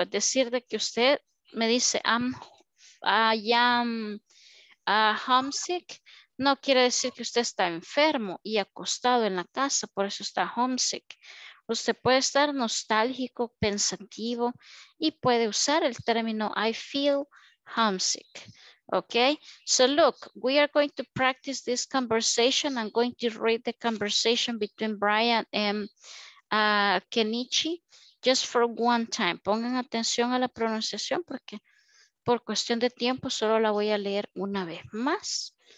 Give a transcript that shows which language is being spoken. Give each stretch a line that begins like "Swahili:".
Spanish: Es decir, de que usted me dice,
English: I am homesick.
Spanish: No quiere decir que usted está enfermo y acostado en la casa, por eso está homesick. Usted puede estar nostálgico, pensativo y puede usar el término
English: I feel homesick. Okay, so look, we are going to practice this conversation. I'm going to read the conversation between Brian and Kenichi just for one time.
Spanish: Pongan atención a la pronunciación porque por cuestión de tiempo solo la voy a leer una vez más.